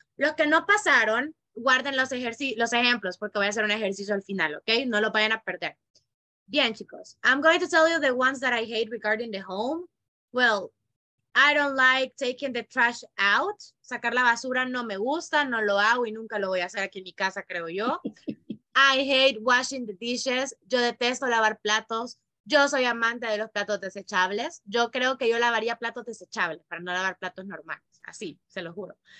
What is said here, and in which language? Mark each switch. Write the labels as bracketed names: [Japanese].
[Spanish] Los que no pasaron, guarden los ejemplos, porque voy a hacer un ejercicio al final, ¿ok? No lo vayan a perder. Bien, chicos. [English] I'm going to tell you the ones that I hate regarding the home. Well, I don't like taking the trash out. [Spanish] Sacar la basura no me gusta, no lo hago y nunca lo voy a hacer aquí en mi casa, creo yo. [English] I hate washing the dishes. [Spanish] Yo detesto lavar platos. Yo soy amante de los platos desechables. Yo creo que yo lavaría platos desechables para no lavar platos normales. Así, se lo juro.